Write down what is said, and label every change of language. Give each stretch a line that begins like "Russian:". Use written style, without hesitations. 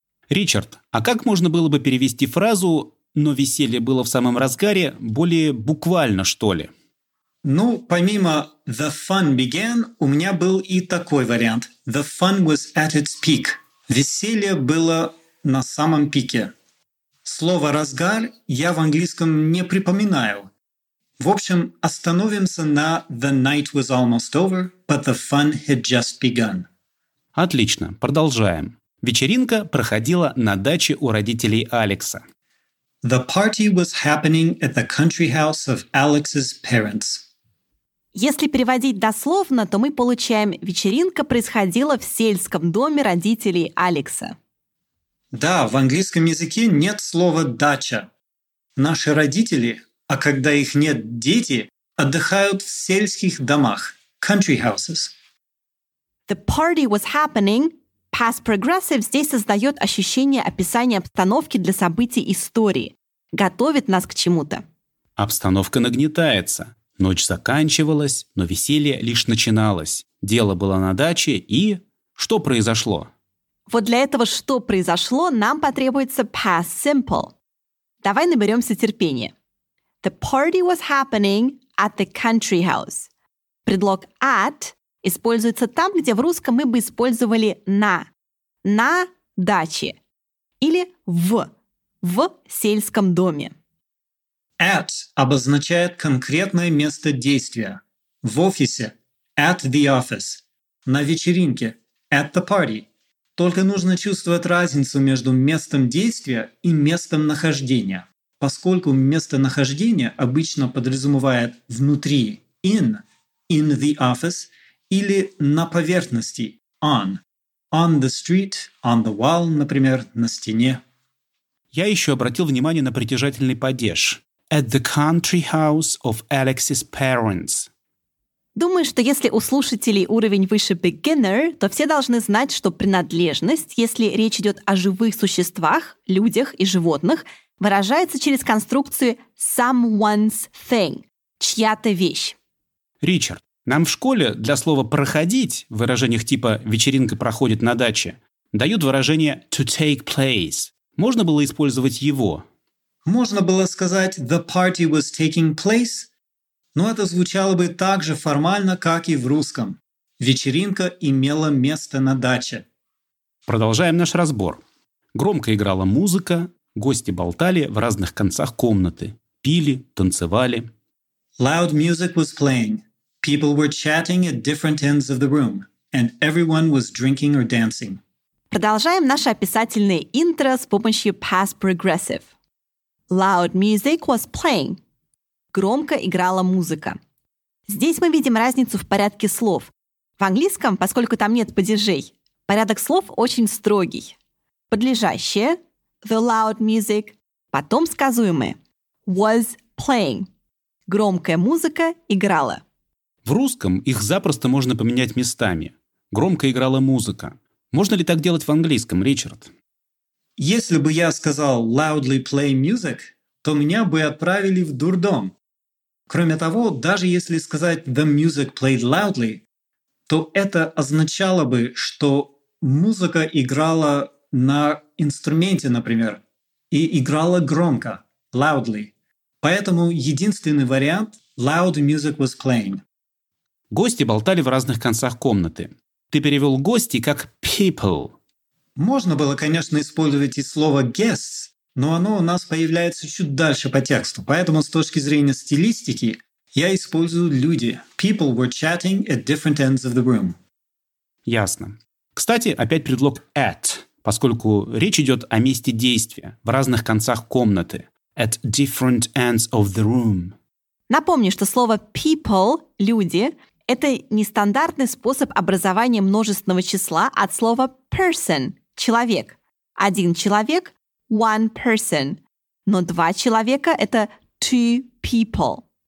Russian: Ричард, а как можно было бы перевести фразу «но веселье было в самом разгаре» более буквально, что ли? Ну, помимо
English: «the fun began»,
Russian: у меня был и такой вариант.
English: «The fun was at its peak».
Russian: Веселье было на самом пике. Слово «разгар» я в английском не припоминаю. В общем, остановимся на
English: «the night was almost over, but the fun had just begun».
Russian: Отлично, продолжаем. Вечеринка проходила на даче у родителей Алекса.
English: The party was happening at the country house of Alex's parents.
Russian: Если переводить дословно, то мы получаем «вечеринка происходила в сельском доме родителей Алекса». Да, в английском языке нет слова «дача». Наши родители, а когда их нет, дети, отдыхают в сельских домах,
English: country houses. The party was happening.
Russian: Past progressive здесь создает ощущение описания обстановки для событий истории. Готовит нас к чему-то. Обстановка нагнетается. Ночь заканчивалась, но веселье лишь начиналось. Дело было на даче и... Что произошло? Вот для этого «что произошло» нам потребуется past simple. Давай наберемся терпения.
English: The party was happening at the country house.
Russian: Предлог at используется там, где в русском мы бы использовали на. На даче. Или в. В сельском доме. At обозначает конкретное место действия. В офисе.
English: At the office.
Russian: На вечеринке.
English: At the party.
Russian: Только нужно чувствовать разницу между местом действия и местом нахождения. Поскольку местонахождение обычно подразумевает внутри –
English: in the office,
Russian: или на поверхности –
English: on the street, on the wall,
Russian: например, на стене. Я еще обратил внимание на притяжательный падеж.
English: At the country house of Alex's parents.
Russian: Думаю, что если у слушателей уровень выше beginner, то все должны знать, что принадлежность, если речь идет о живых существах, людях и животных, выражается через конструкцию
English: someone's thing
Russian: – чья-то вещь. Ричард, нам в школе для слова «проходить» в выражениях типа «вечеринка проходит на даче» дают выражение
English: «to take place».
Russian: Можно было использовать его? Можно было сказать
English: «the party was taking place»,
Russian: но это звучало бы так же формально, как и в русском. «Вечеринка имела место на даче». Продолжаем наш разбор. Громко играла музыка, гости болтали в разных концах комнаты, пили, танцевали.
English: Loud music was playing. People were chatting at different ends of the room, and everyone was drinking or dancing.
Russian: Продолжаем наше описательное интро с помощью past progressive.
English: Loud music was playing.
Russian: Громко играла музыка. Здесь мы видим разницу в порядке слов. В английском, поскольку там нет падежей, порядок слов очень строгий. Подлежащее –
English: the loud music,
Russian: потом сказуемое
English: was playing.
Russian: Громкая музыка играла. В русском их запросто можно поменять местами. Громко играла музыка. Можно ли так делать в английском, Ричард? Если бы я сказал
English: loudly play music,
Russian: то меня бы отправили в дурдом. Кроме того, даже если сказать
English: the music played loudly,
Russian: то это означало бы, что музыка играла на инструменте, например, и играла громко, loudly. Поэтому единственный вариант
English: Loud music was playing.
Russian: Гости болтали в разных концах комнаты. Ты перевел гости как people. Можно было, конечно, использовать и слово guests, но оно у нас появляется чуть дальше по тексту. Поэтому с точки зрения стилистики я использую люди.
English: People were chatting at different ends of the room.
Russian: Ясно. Кстати, опять предлог at, поскольку речь идет о месте действия в разных концах комнаты.
English: At different ends of the room.
Russian: Напомню, что слово people – люди – это нестандартный способ образования множественного числа от слова person – человек. Один человек –
English: one person,
Russian: но два человека – это
English: two people.